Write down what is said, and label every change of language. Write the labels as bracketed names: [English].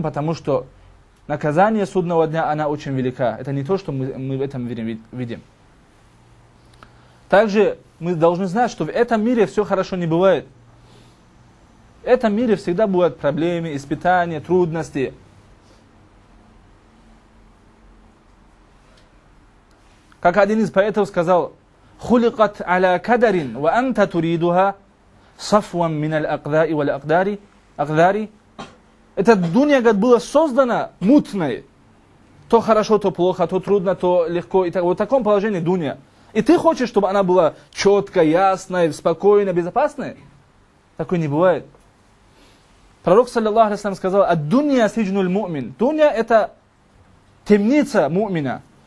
[Russian] Потому что наказание судного дня, она очень велика. Это не то, что мы в этом видим. Также мы должны знать, что в этом мире все хорошо не бывает. В этом мире всегда бывают проблемы, испытания, трудности. Как один из поэтов сказал, [Arabic] خلقت على كدر وأنت تريدها صفوا من الأقضاء والأقدار أقداري. [Russian] Эта дунья как была создана мутной. То хорошо, то плохо, то трудно, то легко. И так, вот в таком положении дунья. И ты хочешь, чтобы она была четкой, ясной, спокойной, безопасной? Такой не бывает. Пророк саллаллаху алейхи ва саллям сказал: [Arabic] «Ад-дунья сиджну аль-му'мин». [Russian] Дунья – это темница му'мина.